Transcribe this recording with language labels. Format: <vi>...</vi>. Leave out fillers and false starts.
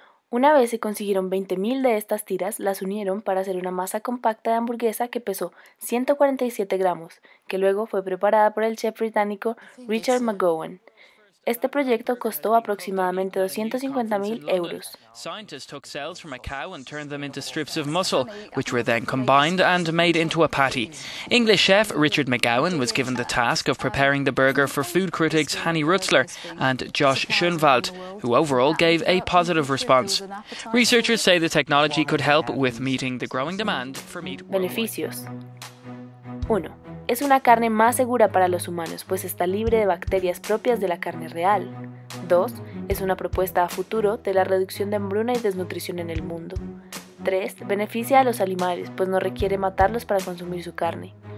<es>Una vez se consiguieron 20.000 de estas tiras, las unieron para hacer una masa compacta de hamburguesa que pesó 147 gramos, que luego fue preparada por el chef británico Richard McGowan. Este proyecto costó aproximadamente 250.000 euros.</es> <en>Scientists took cells from a cow and turned them into strips of muscle, which were then combined and made into a patty. English chef Richard McGowan was given the task of preparing the burger for food critics Hanni Rutzler and Josh Schoenwald, who overall gave a positive response. Researchers say the technology could help with meeting the growing demand for meat.</en> <es>Beneficios. 1. Es una carne más segura para los humanos, pues está libre de bacterias propias de la carne real. 2. Es una propuesta a futuro de la reducción de hambruna y desnutrición en el mundo. 3. Beneficia a los animales, pues no requiere matarlos para consumir su carne.</es>